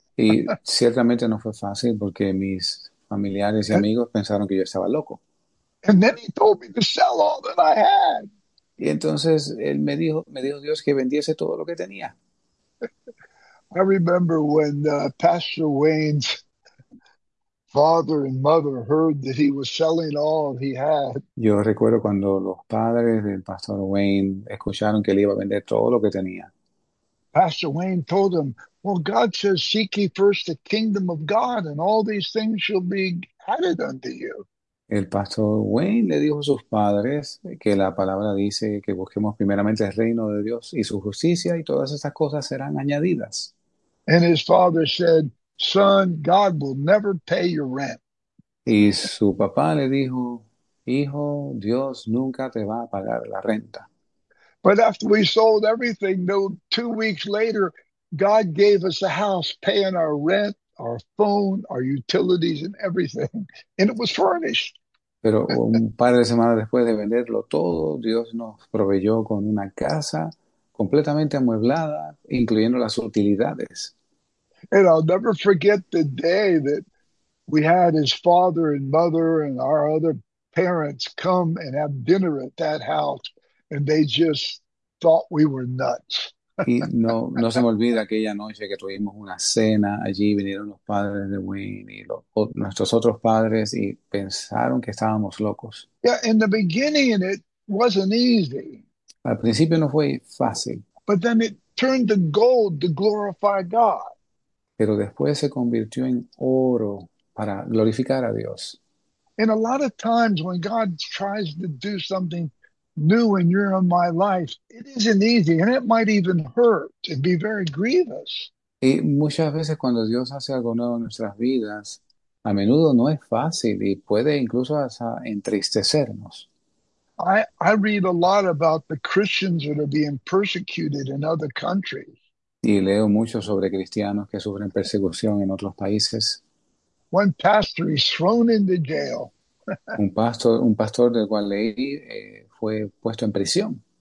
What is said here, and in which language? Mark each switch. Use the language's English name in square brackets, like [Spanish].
[Spanish] Y ciertamente no fue fácil porque mis familiares y amigos pensaron que yo estaba loco. [English] And then he told me to sell all that I had. [Spanish] Y entonces él me dijo Dios que vendiese todo lo que tenía. [English] I remember when Pastor Wayne's father and mother heard that he was selling all he had. [Spanish] Yo recuerdo cuando los padres del pastor Wayne escucharon que él iba a vender todo lo que tenía. [English] Pastor Wayne told him, "Well, God says, seek ye first the kingdom of God, and all these things shall be added unto you." [Spanish] El pastor Wayne le dijo a sus padres que la palabra dice que busquemos primeramente el reino de Dios y su justicia y todas esas cosas serán añadidas. [English] And his father said, "Son, God will never pay your rent." [Spanish] Y su papá le dijo, hijo, Dios nunca te va a pagar la renta. [English] But after we sold everything, no, 2 weeks later, God gave us a house paying our rent, our phone, our utilities, and everything. And it was furnished. [Spanish] Pero un par de semanas después de venderlo todo, Dios nos proveyó con una casa completamente amueblada, incluyendo las utilidades. [English] And I'll never forget the day that we had his father and mother and our other parents come and have dinner at that house, and they just thought we were nuts. [Spanish] Y no se me olvida aquella noche que tuvimos una cena allí, vinieron los padres de Wayne y nuestros otros padres y pensaron que estábamos locos. [English] Yeah, in the beginning it wasn't easy. [Spanish] Al principio no fue fácil, [English] But then it turned to gold to glorify God. [Spanish] pero después se convirtió en oro para glorificar a Dios. [English] And a lot of times when God tries to do something new and you're in my life, it isn't easy and it might even hurt and be very grievous. [Spanish] Y muchas veces cuando Dios hace algo nuevo en nuestras vidas, a menudo no es fácil y puede incluso hasta entristecernos. [English] I read a lot about the Christians that are being persecuted in other countries. [Spanish] Y leo mucho sobre cristianos que sufren persecución en otros países. [English] One pastor is thrown into jail. [Spanish] Un pastor del cual leí, fue puesto en prisión.